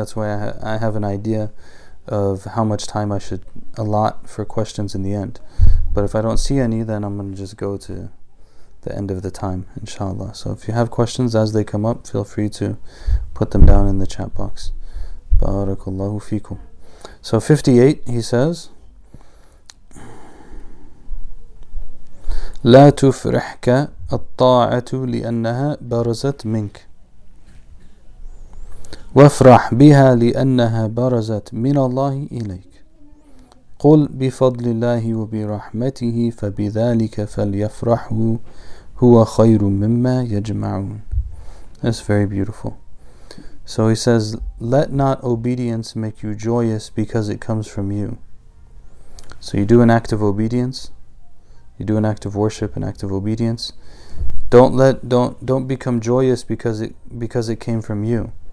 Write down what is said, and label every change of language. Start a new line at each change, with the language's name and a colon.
English: That's why I have an idea of how much time I should allot for questions in the end. But if I don't see any, then I'm going to just go to the end of the time, inshallah. So if you have questions as they come up, feel free to put them down in the chat box.
Arabic: Barakallahu fikum.
English: So 58, he says,
Arabic: لا تفرحك الطاعة لأنها برزت منك وافرح بها لأنها برزت من الله إليك قل بفضل الله وبرحمته فبذلك فليفرحوا هو خير مما يجمعون.
English: That's very beautiful. So he says, let not obedience make you joyous because it comes from you. So you do an act of obedience, you do an act of worship, an act of obedience. Don't become joyous because it came from you.